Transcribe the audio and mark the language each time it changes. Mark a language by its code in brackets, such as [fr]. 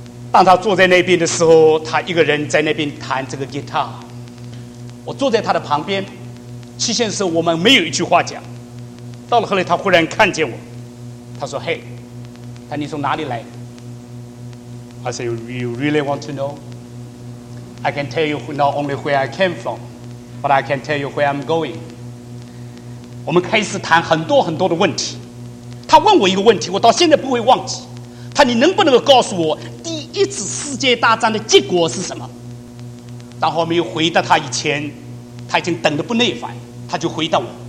[zh] 当他坐在那边的时候，他一个人在那边弹这个吉他，我坐在他的旁边，期限的时候我们没有一句话讲。到了后来他忽然看见我，他说嘿，他你从哪里来？ [en] I say, you really want to know? I can tell you not only where I came from, but I can tell you where I'm going. [zh] 我们开始谈很多很多的问题。他问我一个问题，我到现在不会忘记。他你能不能够告诉我第一次世界大战的结果是什么？当我没有回答他以前，他已经等得不耐烦，他就回答我。